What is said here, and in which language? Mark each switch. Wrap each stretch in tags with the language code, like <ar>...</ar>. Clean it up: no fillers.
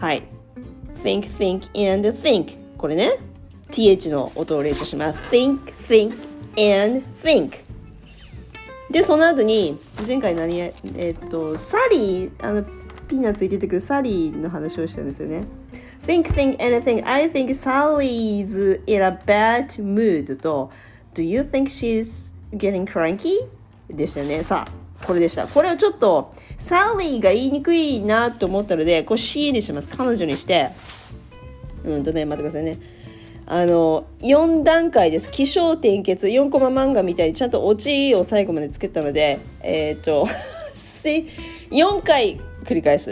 <ja>はい。</ja> <en>think, think, and think.</en> <ja>これね。 TH の音を練習します。</ja> <en>think, think, and think.</en> <ja>で、その後に、前回何、サリー、ピーナッツに出てくるサリーの話をしたんですよね。</ja> <en>think, think, anything. I think Sally's in a bad mood と、do you think she's getting cranky?</en> <ja>でしたね。さあ、これでした。これをちょっと、サリーが言いにくいなと思ったので、こう C にします。彼女にして。ね、待ってくださいね。4段階です。起承転結。 4コマ漫画みたいにちゃんとオチを最後までつけたので、4回繰り返す。</ja>